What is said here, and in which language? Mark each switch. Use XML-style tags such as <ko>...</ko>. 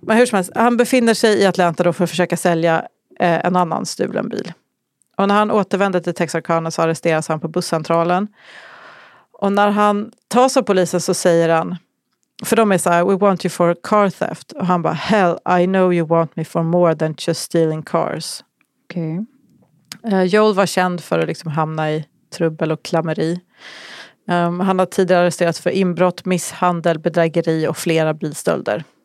<sv>Men hur som helst, han befinner sig i Atlanta då för att försöka sälja en annan stulen bil. Och när han återvänder till Texarkana så arresteras han på busscentralen. Och när han tas av polisen så säger han, för de är så här,</sv> <en>we want you for car theft.</en> <sv>Och han bara,</sv> <en>hell, I know you want me for more than just stealing cars.</en> <sv>Okej.</sv> <en>Okay.</en> <sv>Joel var känd för att liksom hamna i trubbel och klammeri. Han har tidigare arresterats för inbrott, misshandel, bedrägeri och flera bilstölder.</sv>